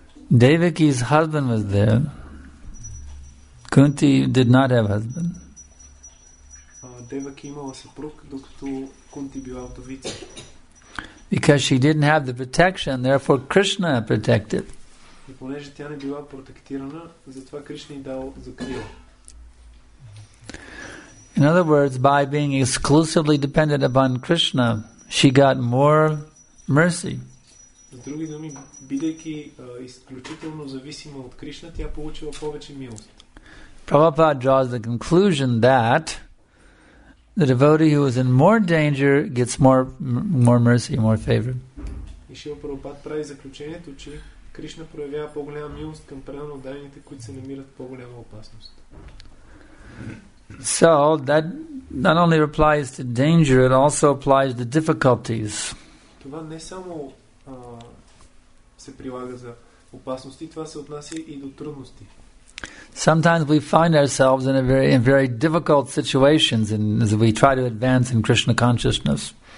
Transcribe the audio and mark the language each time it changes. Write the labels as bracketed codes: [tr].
[en] Devaki's husband was there. Kunti did not have a husband. [bg] Devaki imala съпруг, докато Kunti била вдовица. [en] Because she didn't have the protection, therefore Krishna protected. [bg] И понеже тя не била протектирана, затова Кришна й дал закрила. [en] In other words, by being exclusively dependent upon Krishna, she got more mercy. [bg] С други думи, бидейки изключително зависима от Кришна, тя получила повече милост. [en] Prabhupada draws the conclusion that the devotee who is in more danger gets more mercy, more favor. [bg] И Шрила Прабхупада прави заключението, че Кришна проявява по-голяма милост към преданите дайните, които се намират в по-голяма опасност. [en] So that not only applies to danger, it also applies to difficulties. [bg] Това не само се прилага за опасности, това се отнася и до трудности. [en] Sometimes we find ourselves in very difficult situations as we try to advance in Krishna consciousness.